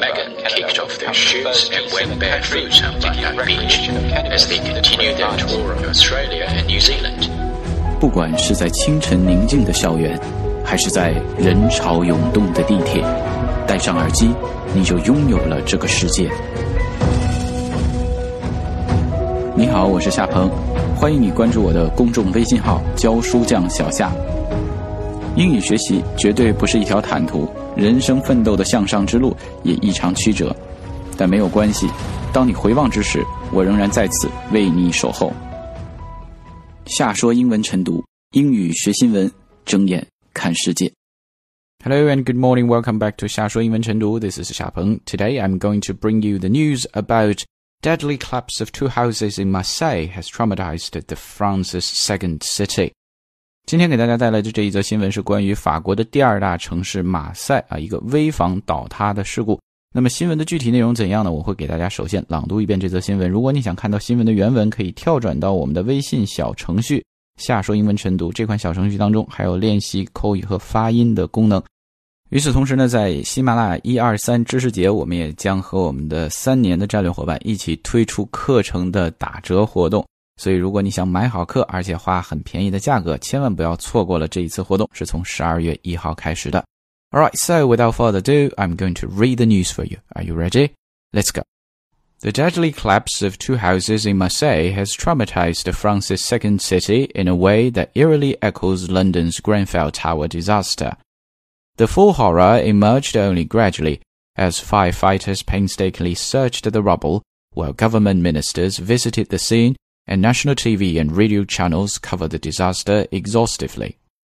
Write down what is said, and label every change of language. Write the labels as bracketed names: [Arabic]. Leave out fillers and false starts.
[English] Megan kicked off their shoots and went barefoot on Bundang Beach as they continued their tour of Australia and New Zealand. [Chinese] 不管是在清晨宁静的校园，还是在人潮涌动的地铁，戴上耳机，你就拥有了这个世界。你好，我是夏鹏，欢迎你关注我的公众微信号教书匠小夏。英语学习绝对不是一条坦途，人生奋斗的向上之路也异常曲折，但没有关系，当你回望之时，我仍然在此为你守候。夏说英文晨读，英语学新闻，睁眼看世界。 [English] Hello and good morning, welcome back to 夏说英文晨读， this is 夏鹏。 Today I'm going to bring you the news aboutDeadly collapse of two houses in Marseille has traumatized the France's second city. [Chinese] 今天给大家带来的这一则新闻是关于法国的第二大城市马赛啊，一个危房倒塌的事故。那么新闻的具体内容怎样呢？我会给大家首先朗读一遍这则新闻。如果你想看到新闻的原文，可以跳转到我们的微信小程序下说英文晨读，这款小程序当中还有练习口语和发音的功能。与此同时呢，在喜马拉雅123知识节，我们也将和我们的三年的战略伙伴一起推出课程的打折活动。所以如果你想买好课，而且花很便宜的价格，千万不要错过了这一次活动，是从12月1号开始的。 [English] Alright, so without further ado, I'm going to read the news for you. Are you ready? Let's go. The deadly collapse of two houses in Marseille has traumatized France's second city in a way that eerily echoes London's Grenfell Tower disaster. The full horror emerged only gradually, as firefighters painstakingly searched the rubble, while government ministers visited the scene, and national TV and radio channels covered the disaster exhaustively.